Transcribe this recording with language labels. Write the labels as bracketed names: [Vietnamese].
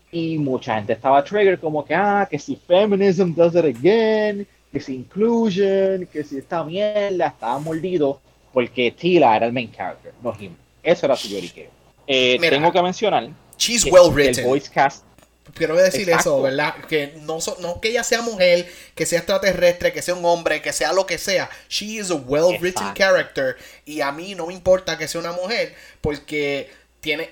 [Spanish] Y mucha gente estaba trigger como que, ah, que si [English] feminism does it again, [Spanish] que si inclusion, que si esta mierda, estaba mordido, porque Tila era el main character, no He-Man. Eso era su lloriqueo. Tengo que mencionar, [English] she's well written. [Spanish] El voice cast. Quiero decir, exacto, eso, ¿verdad? Que no que ella sea mujer, que sea extraterrestre, que sea un hombre, que sea lo que sea. [English] She is a well written character. [Spanish] Y a mí no me importa que sea una mujer, porque tiene.